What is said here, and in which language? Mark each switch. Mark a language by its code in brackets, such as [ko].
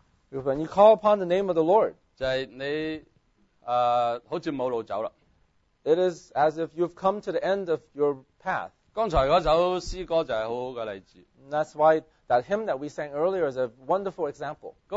[en] because when you call upon the name of the Lord, [zh] 就是你， 好像没路走了。 [en] It is as if you've come to the end of your path. [zh] 刚才那首诗歌就是很好的例子。 [en] And that's why that hymn that we sang earlier is a wonderful example.